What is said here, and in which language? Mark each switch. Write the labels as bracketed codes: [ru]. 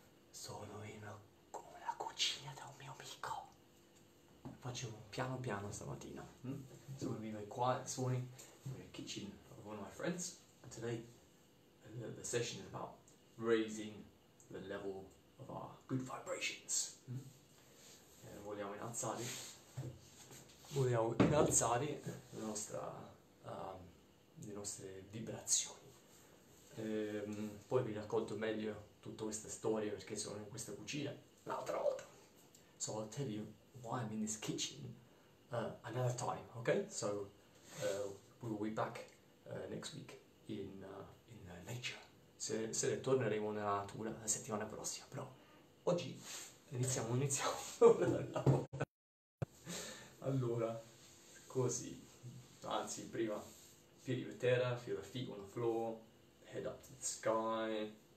[it] Sono in la cucina da un mio amico. Facciamo piano piano stamattina. [en] So we're going to be very quiet this morning. We're in the kitchen of one of my friends. And today, the session is about raising the level of our good vibrations. [it] Vogliamo innalzare. Vogliamo innalzare la nostra... le nostre vibrazioni. Poi vi racconto meglio tutta questa storia perché sono in questa cucina l'altra volta. [en] So I'll tell you why I'm in this kitchen another time, okay? So we will be back next week in nature. [it] Se torneremo nella natura la settimana prossima, però oggi iniziamo. Allora, così. Anzi, prima. [en] Feel the terra, feel the feet on the floor, head up to the sky.